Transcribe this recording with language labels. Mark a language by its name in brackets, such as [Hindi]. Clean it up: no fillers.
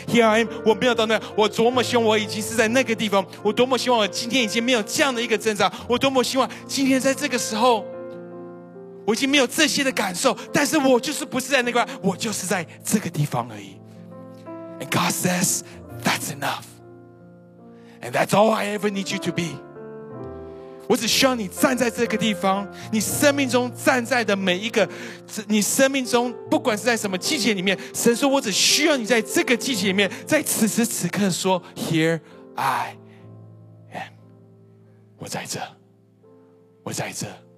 [English] Here I am， [Chinese] 我没有到那，我多么希望我已经是在那个地方，我多么希望我今天已经没有这样的一个挣扎，我多么希望今天在这个时候我已经没有这些的感受，但是我就是不是在那个，我就是在这个地方而已。 [English] And God says that's enough。 And that's all I ever need you to be。 [Chinese] 我只需要你站在这个地方，你生命中站在的每一个，你生命中不管是在什么季节里面，神说我只需要你在这个季节里面，在此时此刻说 [English] Here I am， [Chinese] 我在这，我在这。